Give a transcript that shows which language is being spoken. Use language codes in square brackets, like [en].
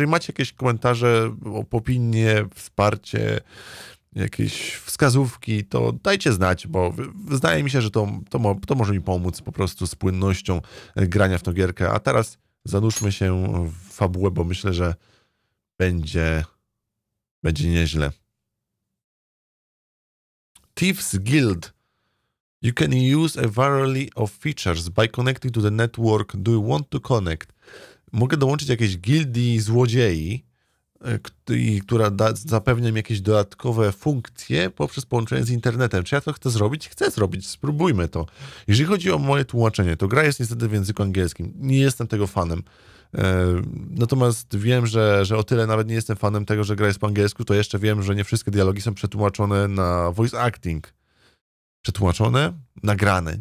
[pl] Jeżeli macie jakieś komentarze, opinie, wsparcie, jakieś wskazówki, to dajcie znać, bo zdaje mi się, że to może mi pomóc po prostu z płynnością grania w tą gierkę. A teraz zanurzmy się w fabułę, bo myślę, że będzie nieźle. [en] Thieves Guild. You can use a variety of features by connecting to the network. Do you want to connect? [pl] Mogę dołączyć jakieś gildii złodziei, która zapewnia mi jakieś dodatkowe funkcje poprzez połączenie z internetem. Czy ja to chcę zrobić? Chcę zrobić, spróbujmy to. Jeżeli chodzi o moje tłumaczenie, to gra jest niestety w języku angielskim. Nie jestem tego fanem. Natomiast wiem, że o tyle nawet nie jestem fanem tego, że gra jest po angielsku, to jeszcze wiem, że nie wszystkie dialogi są przetłumaczone na voice acting. Przetłumaczone? Nagrane.